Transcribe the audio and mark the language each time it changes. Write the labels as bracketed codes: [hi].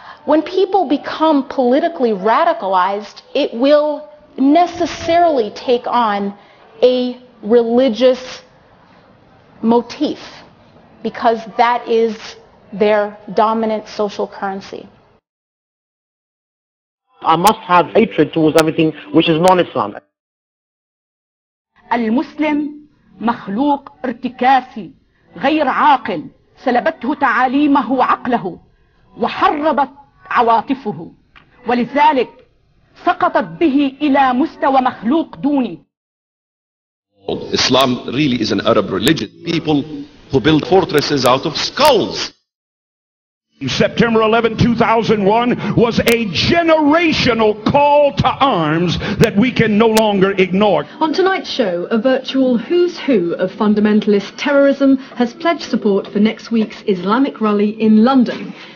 [en] When people become politically radicalized, it will necessarily take on a religious motif, because that is their dominant social currency. I must have hatred towards everything which is non-Islamic. [ar] المسلم مخلوق ارتكاسي غير عاقل سلبته تعاليمه وعقله وحربت عواطفه ولذلك سقطت به الى مستوى مخلوق دوني. [en] Islam really is an Arab religion. People who build fortresses out of skulls. September 11, 2001 was a generational call to arms that we can no longer ignore. On tonight's show, a virtual who's who of fundamentalist terrorism has pledged support for next week's Islamic rally in London.